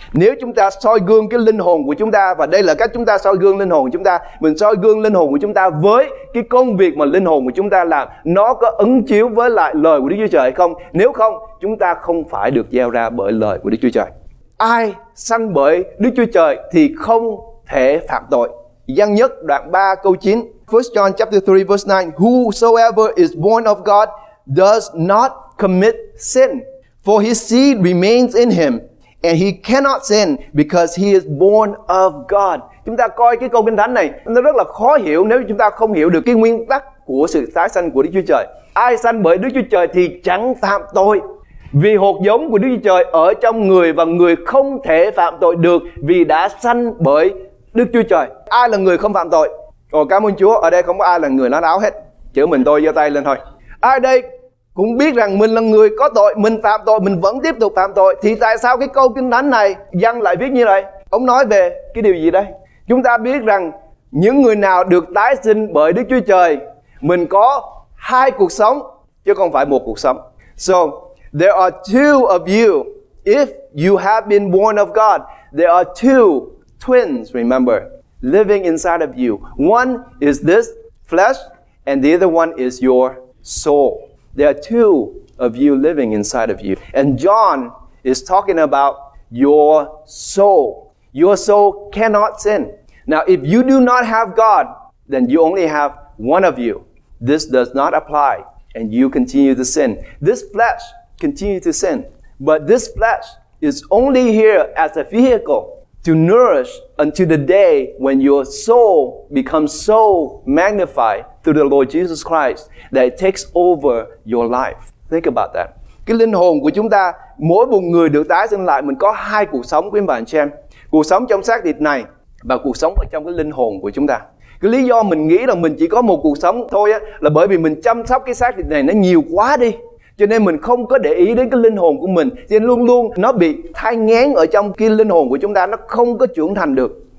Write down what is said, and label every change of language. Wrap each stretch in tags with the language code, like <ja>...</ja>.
<vi>Nếu chúng ta soi gương cái linh hồn của chúng ta, và đây là cách chúng ta soi gương linh hồn của chúng ta, mình soi gương linh hồn của chúng ta với cái công việc mà linh hồn của chúng ta làm, nó có ứng chiếu với lại lời của Đức Chúa Trời hay không? Nếu không, chúng ta không phải được gieo ra bởi lời của Đức Chúa Trời. Ai sanh bởi Đức Chúa Trời thì không thể phạm tội. Giăng nhất đoạn 3 câu 9.</vi> <en>First John chapter 3 verse 9. Whosoever is born of God does not commit sin, for his seed remains in him, and he cannot sin because he is born of God.</en> <vi>Chúng ta coi cái câu kinh thánh này, nó rất là khó hiểu nếu chúng ta không hiểu được cái nguyên tắc của sự tái sanh của Đức Chúa Trời. Ai sanh bởi Đức Chúa Trời thì chẳng phạm tội. Vì hột giống của Đức Chúa Trời ở trong người, và người không thể phạm tội được vì đã sanh bởi Đức Chúa Trời. Ai là người không phạm tội? Ồ, cảm ơn Chúa, ở đây không có ai là người lá láo hết. Chỉ mình tôi giơ tay lên thôi. Ai đây cũng biết rằng mình là người có tội, mình phạm tội, mình vẫn tiếp tục phạm tội. Thì tại sao cái câu kinh thánh này Giăng lại viết như vậy? Ông nói về cái điều gì đây? Chúng ta biết rằng những người nào được tái sinh bởi Đức Chúa Trời, mình có hai cuộc sống chứ không phải một cuộc sống.</vi> <en>So there are two of you. If you have been born of God, there are two twins, remember, living inside of you. One is this flesh and the other one is your soul. There are two of you living inside of you. And John is talking about your soul. Your soul cannot sin. Now, if you do not have God, then you only have one of you. This does not apply. And you continue to sin. This flesh continues to sin. But this flesh is only here as a vehicle to nourish until the day when your soul becomes so magnified through the Lord Jesus Christ that it takes over your life. Think about that.</en> <vi>Cái linh hồn của chúng ta, mỗi một người được tái sinh lại, mình có hai cuộc sống, quý bạn xem. Cuộc sống trong xác thịt này và cuộc sống ở trong cái linh hồn của chúng ta. Cái lý do mình nghĩ là mình chỉ có một cuộc sống thôi á, là bởi vì mình chăm sóc cái xác thịt này nó nhiều quá đi. Cho nên mình không có để ý đến cái linh hồn của mình. Cho nên luôn luôn nó bị thai nghén ở trong cái linh hồn của chúng ta, nó không có trưởng thành được.</vi>